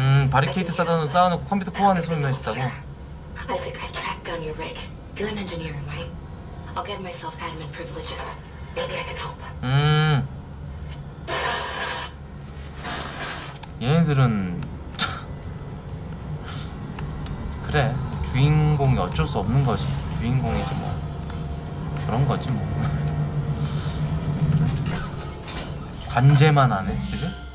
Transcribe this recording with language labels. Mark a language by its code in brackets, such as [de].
[ko] 바리케이드 쌓아놓고 컴퓨터 코어 안에 숨어 있었다고. [en] Isaac, I tracked down your rig. You're an engineer, right? I'll get myself admin privileges. Maybe I can help. [ko] 얘네들은 그래 주인공이 어쩔 수 없는 거지. 주인공이지 뭐 그런 거지 뭐. 관제만 안 해, 그지?